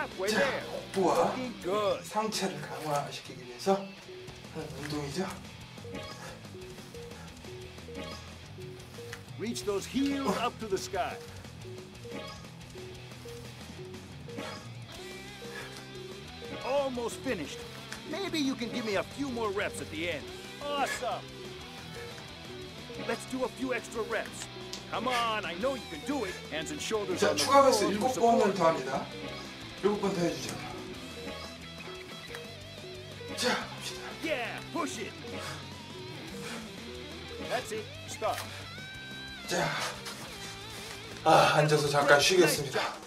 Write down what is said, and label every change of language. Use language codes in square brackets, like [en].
[ko] 자, 복부와 상체를 강화시키기 위해서 하는 운동이죠. [en] Reach those heels up to the sky. [ko] 자, 마무리 하겠습니다. [en] Reps at the end. Awesome. Let's do a few extra reps. Come on, I know you can do it. Hands and shoulders. [ko] 자, 추가 횟수 7번을 더합니다. 7번 더 해주죠. 자, 갑시다. [en] Yeah, push it. That's it. Stop. [ko] 자, 아, 앉아서 잠깐 쉬겠습니다.